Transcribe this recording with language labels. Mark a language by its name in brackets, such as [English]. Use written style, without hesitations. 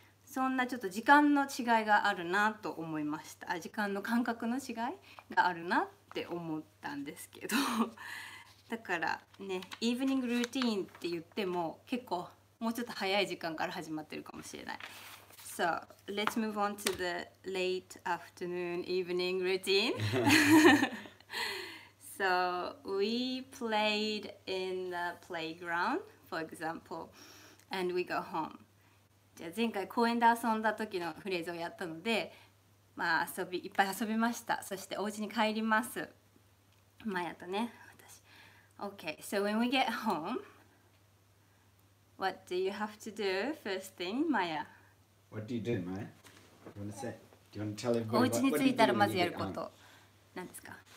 [Japanese] そんなちょっと時間の違いがあるなと思いました。時間の感覚の違いがあるなって思ったんですけど、だからね、イーブニングルーティーンって言っても結構もうちょっと早い時間から始まってるかもしれない。 [English] So let's move on to the late afternoon evening routine. So we played in the playground, for example, and we go home. [Japanese] じゃあ前回公園で遊んだ時のフレーズをやったので、まあ遊びいっぱい遊びました。そしてお家に帰ります、マヤとね。 [English] Okay, so when we get home, what do you have to do first thing, Maia? What do you do, Maia? Do you want to say? Do you want to tell everybody what you do when you get home? [Japanese] お家に着いたらまずやること。何ですか?